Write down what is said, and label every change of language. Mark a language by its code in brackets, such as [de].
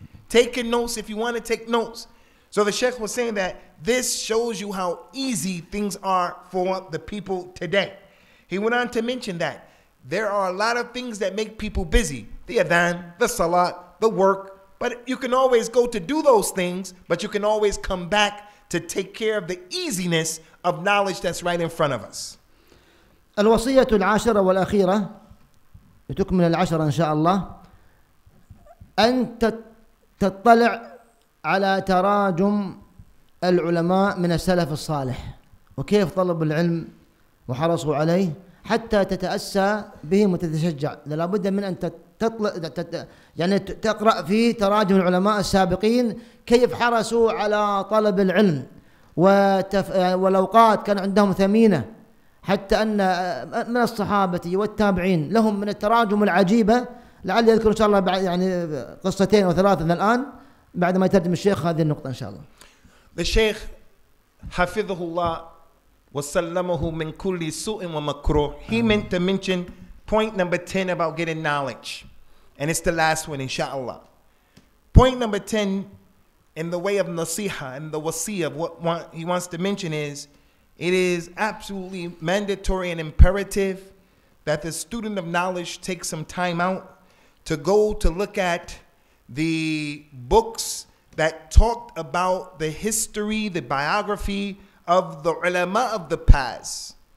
[en] Taking notes if you want to take notes. So the Sheikh was saying that this shows you how easy things are for the people today. He went on to mention that there are a lot of things that make people busy. The adhan, the salat, the work. But you can always go to do those things, but you can always come back to take care of the easiness of knowledge that's right in front of us. [ar] الوصية العاشرة والأخيرة لتكمل العشرة إن شاء الله أن تطلع على تراجم العلماء من السلف الصالح وكيف طلبوا العلم وحرصوا عليه حتى تتأسى به وتتشجع. لا بد من أن تطلع يعني تقرأ في تراجم العلماء السابقين كيف حرصوا على طلب العلم والأوقات كان عندهم ثمينة حتى أن من الصحابة والتابعين لهم من التراجم العجيبة لعل يذكر إن شاء الله بعد يعني قصتين أو ثلاثة من الآن بعد ما يترجم الشيخ هذه النقطة إن شاء الله. الشيخ حفظه الله وسلمه من كل سوء ومكروه. [en] He meant to mention point number 10 about getting knowledge, and it's the last one inshallah. Point number 10 in the way of nasiha and the wasiyah of what he wants to mention is, it is absolutely mandatory and imperative that the student of knowledge take some time out to go to look at the books that talked about the history, the biography of the ulama of the past.